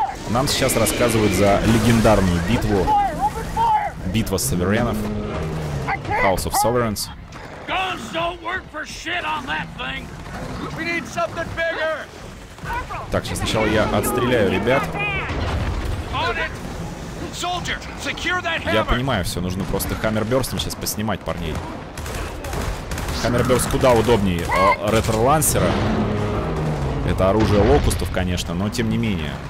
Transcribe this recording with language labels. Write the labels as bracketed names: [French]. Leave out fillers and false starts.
[Russian] Нам сейчас рассказывают за легендарную битву. Битва Саверенов. House of Sovereigns. [English] Guns don't work for shit on that thing. We need something bigger. [Russian] Так, сейчас сначала я отстреляю ребят. [English] Soldier, secure that hammer. [Russian] Я понимаю, все, нужно просто хаммерберстом сейчас поснимать парней. Хаммерберст куда удобнее ретро-лансера. Это оружие локустов, конечно, но тем не менее.